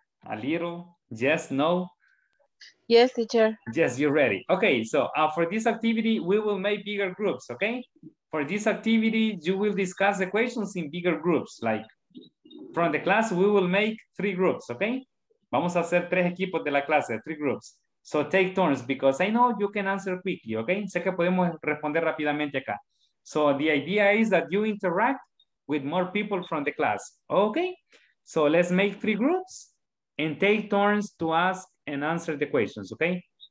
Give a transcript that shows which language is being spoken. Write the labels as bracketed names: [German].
[English] A little, yes, no? Yes, teacher. Yes, you're ready. Okay, so for this activity, we will make bigger groups, okay? For this activity, you will discuss the questions in bigger groups. Like from the class, we will make three groups, okay? [Spanish] Vamos a hacer tres equipos de la clase, [English] three groups. So take turns, because I know you can answer quickly, okay? [Spanish] Sé que podemos responder rápidamente acá. [English] So the idea is that you interact with more people from the class, okay? So let's make three groups and take turns to ask and answer the questions, okay?